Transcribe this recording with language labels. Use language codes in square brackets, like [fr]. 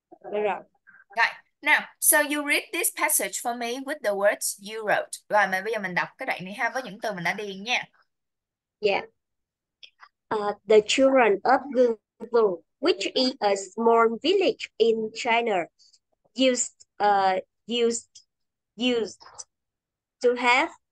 [en] Rồi, now, so you read this passage for me with the words you wrote. [vi] Rồi, mà bây giờ mình đọc cái đoạn này ha với những từ mình đã điền nha. [en] The children of Gungu, which is a small village in China, used to have